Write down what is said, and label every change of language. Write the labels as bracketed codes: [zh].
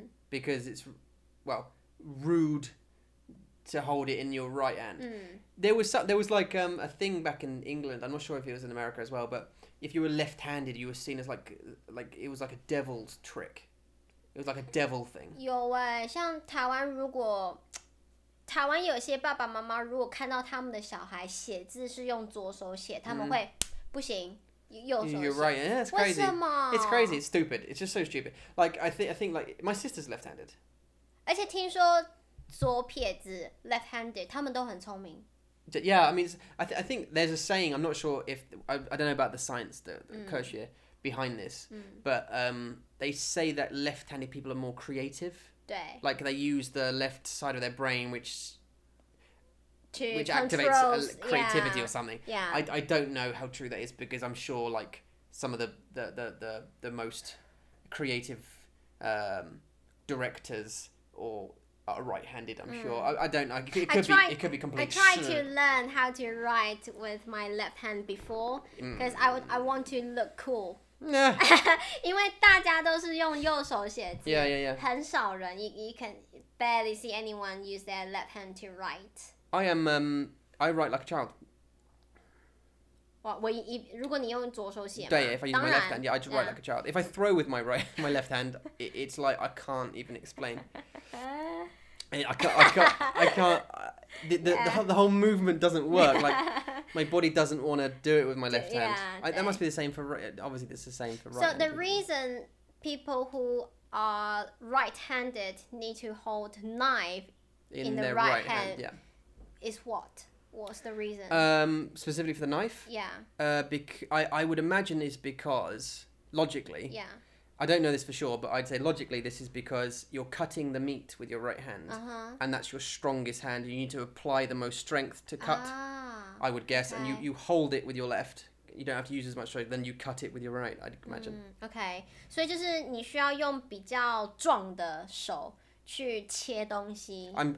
[en] Because it's, well, rude to hold it in your right hand. There was a thing back in England, I'm not sure if it was in America as well, but if you were left-handed, you were seen as like it was like a devil's trick. It was like a devil thing. [zh] 有耶，像台湾，如果台湾有些爸爸妈妈如果看到他们的小孩写字是用左手写，他们会不行，右手写。 [en] You're right. Yeah, it's crazy. [zh] 为什么？ [en] It's crazy. It's stupid. It's just so stupid. Like I think like my sister's left-handed. [zh] 而且听说左撇子 left-handed， 他们都很聪明。 [en] Yeah, I mean, I think there's a saying. I'm not sure if I don't know about the science, the 科学。 Behind this, but they say that left-handed people are more creative. [zh] 对 [en] Like they use the left side of their brain, which activates creativity yeah. or something. Yeah, I don't know how true that is because I'm sure like some of the most creative directors or are right-handed. I'm sure. I don't know. It could be completely. I tried to learn how to write with my left hand before because I want to look cool. Yeah. [zh] 因为大家都是用右手写字 yeah, yeah, yeah. 很少人 [en] you can barely see anyone use their left hand to write I am I write like a child [zh] 如果你用左手写 [en] 对 if I use my left hand yeah, I just write like a child if I throw with my left hand it's like I can't even explain I can't the whole movement doesn't work like my body doesn't want to do it with my left hand that must be the same for obviously it's the same for right so the reason people who are right-handed need to hold knife in the their right hand yeah. is what's the reason specifically for the knife yeah I would imagine is because logically. Yeah. I don't know this for sure, but I'd say logically this is because you're cutting the meat with your right hand. Uh-huh. And that's your strongest hand. You need to apply the most strength to cut, ah, I would guess. Okay. And you hold it with your left. You don't have to use as much strength. Then you cut it with your right, I'd imagine. Mm, okay. [zh] 所以就是你需要用比较壮的手去切东西。